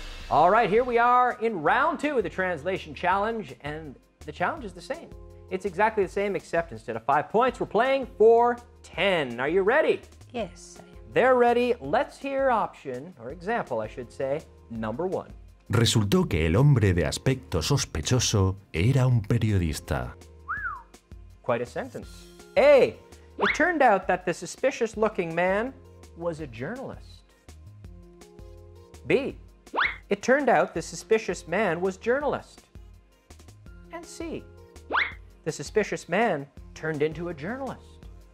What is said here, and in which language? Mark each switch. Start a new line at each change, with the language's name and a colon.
English: All right, here we are in round two of the translation challenge, and the challenge is the same. It's exactly the same, except instead of 5 points, we're playing for 10. Are you ready? Yes. They're ready. Let's hear option, or example, I should say, number one.
Spanish: Resultó que el hombre de aspecto sospechoso era un periodista.
English: Quite a sentence. A. It turned out that the suspicious-looking man was a journalist. B. It turned out the suspicious man was journalist. And C. The suspicious man turned into a journalist.